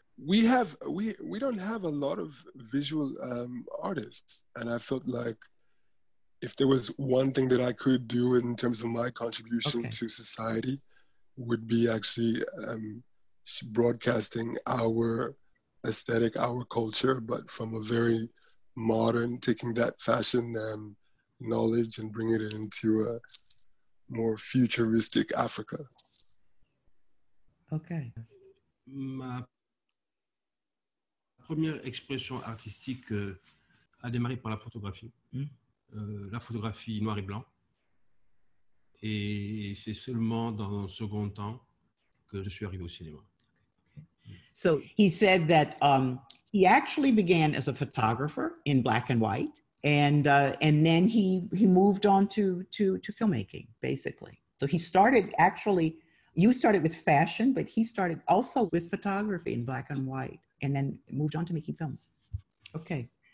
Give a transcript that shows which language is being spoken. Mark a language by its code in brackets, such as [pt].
[en] We don't have a lot of visual artists, and I felt like if there was one thing that I could do in terms of my contribution to society, would be actually broadcasting our aesthetic, our culture, but from a very modern, taking that fashion knowledge and bring it into a more futuristic Africa. Okay. [fr] Ma première expression artistique a démarré par la photographie. La photographie noir et blanc. Et c'est seulement dans un second temps que je suis arrivé au cinéma. [en] So he said that he actually began as a photographer in black and white, and then he moved on to filmmaking, basically. So he started, actually, you started with fashion, but he started also with photography in black and white, and then moved on to making films. Okay.